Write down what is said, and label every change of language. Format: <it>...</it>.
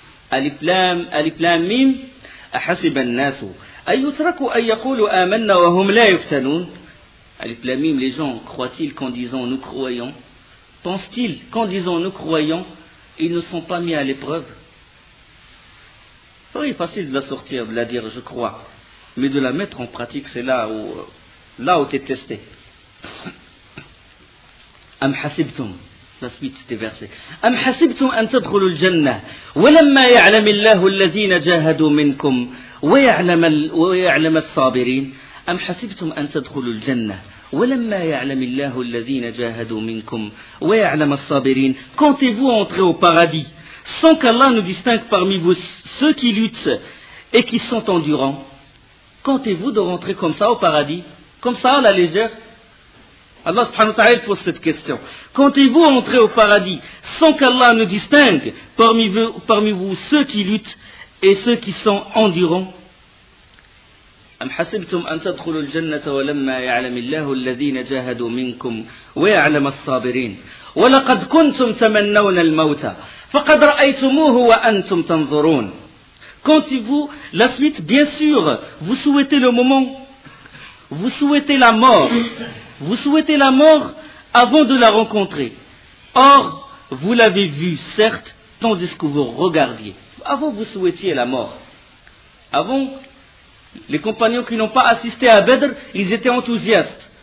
<ar>Al-Iflam Mim أحسب الناس أن يتركوا أن يقولوا آمنا وهم لا يفتنون.</ar> <fr>Al-Iflam Mim, les gens croient-ils qu'en disant nous croyons, pensent-ils qu'en disant nous croyons, ils ne sont pas mis à l'épreuve? Oui, facile de la sortir, de la dire je crois, mais de la mettre en pratique, c'est là où tu es testé.</fr> <ar>Am hasibtum.</ar> <fr>La suite des versets.</fr> <ar>Am hasibtum an tadkhulul janna wa lamma ya'lam Allah alladhina jahadu minkum wa ya'lam as-sabirin. أم حسبتم أن تدخلوا الجنة ولما يعلم الله الذين جاهدوا منكم ويعلم الصابرين.</ar> <fr>Comptez-vous entrer au paradis sans qu'Allah nous distingue parmi vous ceux qui luttent et qui sont endurants? Comptez-vous de rentrer comme ça au paradis, comme ça à la légère? Allah subhanahu wa ta'ala pose cette question. Comptez-vous entrer au paradis sans qu'Allah nous distingue parmi vous ceux qui luttent et ceux qui sont endurants?</fr> <ar>أم حسبتم أن تدخلوا الجنة ولما يعلم الله الذين جاهدوا منكم ويعلم الصابرين ولقد كنتم تمنون الموت فقد رأيتموه وأنتم تنظرون.</ar> <fr>Comptez-vous la suite? Bien sûr, vous souhaitez le moment, vous souhaitez la mort, vous souhaitez la mort avant de la rencontrer. Or, vous l'avez vu, certes, tandis que vous regardiez. Avant, vous souhaitiez la mort. Avant, les compagnons qui n'ont pas assisté à Badr, ils étaient enthousiastes.</fr>